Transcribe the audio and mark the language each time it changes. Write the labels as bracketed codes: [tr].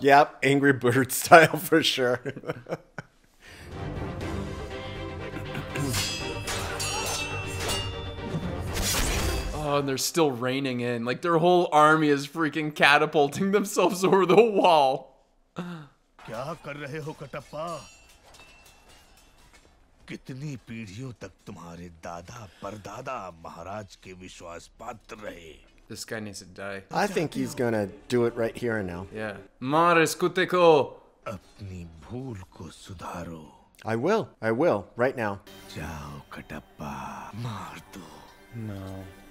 [en] Yep, Angry Bird style for sure. Oh, and they're still raining in. Like, their whole army is freaking catapulting themselves over the wall. [hi] क्या कर रहे हो कटप्पा? कितनी पीढ़ियों तक तुम्हारे दादा परदादा महाराज के विश्वास पात्र रहे? [en] This guy needs to die. I think he's gonna do it right here and now. Yeah. Mare skuteko. [hi] Apni bhool ko sudharo. [en] I will. Right now. [hi] Jao katappa. Maar do. [en] No.